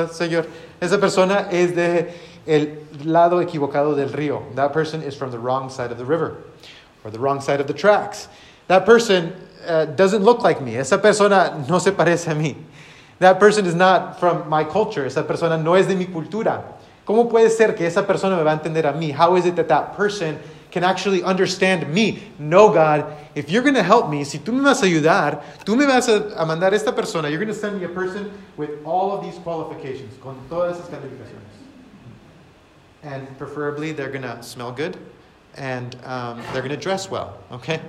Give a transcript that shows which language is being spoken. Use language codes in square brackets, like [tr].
[es] Esa persona es de el lado equivocado del río. [en] That person is from the wrong side of the river or the wrong side of the tracks. That person doesn't look like me. [es] Esa persona no se parece a mí. [en] That person is not from my culture. [es] Esa persona no es de mi cultura. ¿Cómo puede ser que esa persona me va a entender a mí? [en] How is it that that person can actually understand me? No, God, if you're going to help me, [es] si tú me vas a ayudar, tú me vas a mandar esta persona, [en] you're going to send me a person with all of these qualifications, [es] con todas esas calificaciones. [en] And preferably, they're going to smell good, and they're going to dress well, okay?